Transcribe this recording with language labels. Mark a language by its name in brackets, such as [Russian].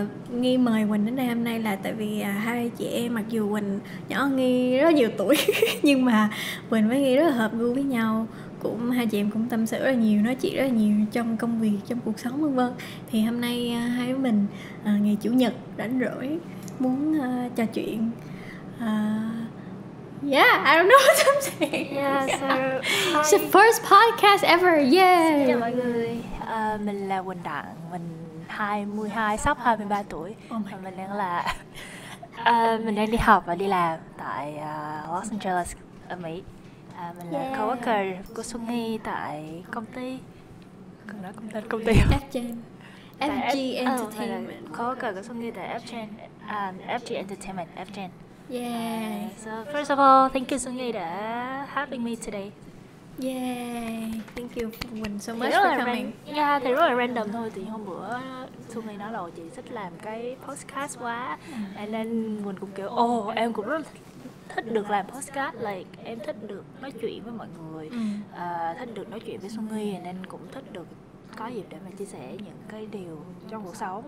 [Vietnamese] Nghi mời Quỳnh đến đây hôm nay là tại vì hai chị em, mặc dù Quỳnh nhỏ Nghi rất nhiều tuổi nhưng mà Quỳnh với Nghi rất là hợp gu với nhau, cũng hai chị em cũng tâm sự rất là nhiều, nói chuyện rất là nhiều trong công việc, trong cuộc sống vân vân. Thì hôm nay hai đứa mình ngày chủ nhật rảnh rỗi muốn trò chuyện. [English] Yeah, I don't know what I'm saying. Yeah, so it's the first podcast ever. Yeah. [Vietnamese] Xin chào mọi người. Mình là Quỳnh Đặng, mình 22, sắp 23 tuổi. Và mình đang là mình đang đi học và đi làm tại Los Angeles ở Mỹ. Mình là coworker của Xuân Nghi tại công ty. Cần nói công tên công ty không? FGM. FG Entertainment. Coworker của Xuân Nghi tại FGM. FG Entertainment, FGM. [English] Yeah. So first of all, thank you Sunghi đã having me today. Yeah. Thank you Quỳnh so much for coming. [Vietnamese] Yeah, thì rất là random thôi. Thì hôm bữa Sunghi nói là chị thích làm cái podcast quá. [English] And then [Vietnamese] Quỳnh cũng kiểu, em cũng rất thích được làm podcast. [English] Like [Vietnamese] em thích được nói chuyện với mọi người. Thích được nói chuyện với Sunghi. [English] And then [Vietnamese] cũng thích được có dịp để mà chia sẻ những cái điều trong cuộc sống.